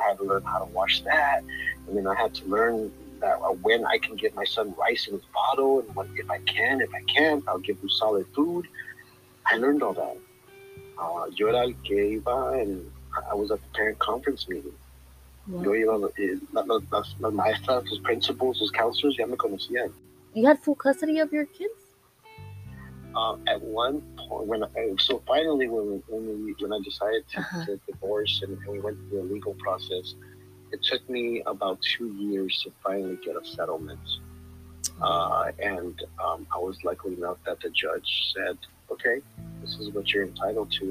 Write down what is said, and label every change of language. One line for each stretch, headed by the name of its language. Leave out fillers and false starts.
English: I had to learn how to wash that. And then I had to learn that when I can give my son rice in his bottle, and what, if I can't, I'll give him solid food. I learned all that.
Spanish: Yo era el que iba,
English: and I was at the parent conference meeting.
Spanish: Yeah. Yo iba, las maestras, los principals, los counselors, ya me conocían.
English: You had full custody of your kids? At one point, when I decided to divorce and we went through the legal process, it took me about 2 years to finally get a settlement. I was lucky enough that the judge said, okay, this is what you're entitled to.